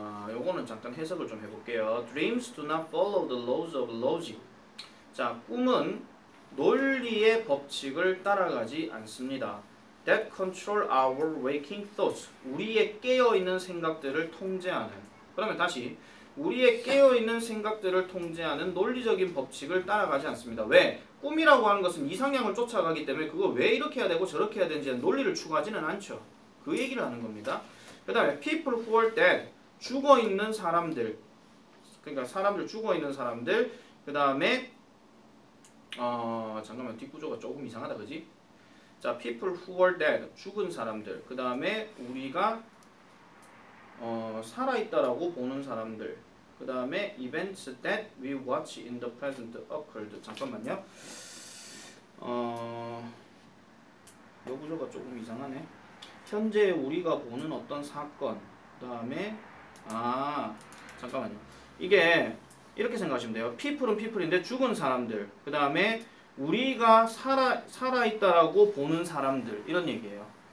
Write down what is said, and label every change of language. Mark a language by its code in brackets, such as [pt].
[ko] 요거는 잠깐 해석을 좀 해볼게요. [en] Dreams do not follow the laws of logic. [ko] 자, 꿈은 논리의 법칙을 따라가지 않습니다. [en] That control our waking thoughts. [ko] 우리의 깨어있는 생각들을 통제하는. 그러면 다시 우리의 깨어있는 생각들을 통제하는 논리적인 법칙을 따라가지 않습니다. 왜? 꿈이라고 하는 것은 이상향을 쫓아가기 때문에 그거 왜 이렇게 해야 되고 저렇게 해야 되는지 논리를 추구하지는 않죠. 그 얘기를 하는 겁니다. 그 다음에 people who are dead, 죽어있는 사람들, 그러니까 사람들 죽어있는 사람들, 그 다음에 잠깐만 뒷구조가 조금 이상하다 그지? [en] 자, people who are dead, 죽은 사람들, 그 다음에 우리가 살아있다라고 보는 사람들, 그 다음에 events that we watch in the present occurred. [ko] 잠깐만요. 요 구조가 조금 이상하네. 현재 우리가 보는 어떤 사건, 그 다음에 잠깐만요. 이게 이렇게 생각하시면 돼요. People은 people인데 죽은 사람들, 그 다음에 우리가 살아있다라고 보는 사람들 이런 얘기예요.